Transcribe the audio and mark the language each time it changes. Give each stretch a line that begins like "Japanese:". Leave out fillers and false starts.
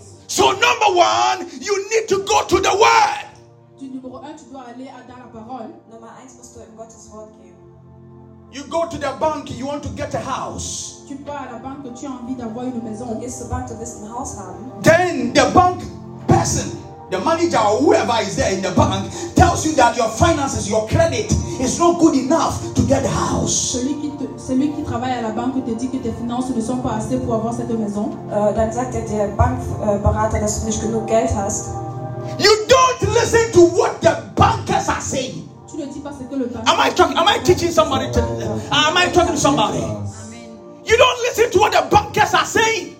English: So number one, you need to go to the word. You go to the bank, you want to get a house. Then the bank person, the manager or whoever is there in the bank, tells you that your finances, your credit is not good enough to get a house.
French: Celui qui travaille à la banque te dit que tes finances ne sont pas assez pour avoir cette maison.
German: Dann sagt er der Bankberater, dass du nicht genug Geld hast.
English: You don't listen to what the bankers are saying.
French: Tu ne dis pas ce que le
English: banquier. Am I talking to somebody? You don't listen to what the bankers are saying.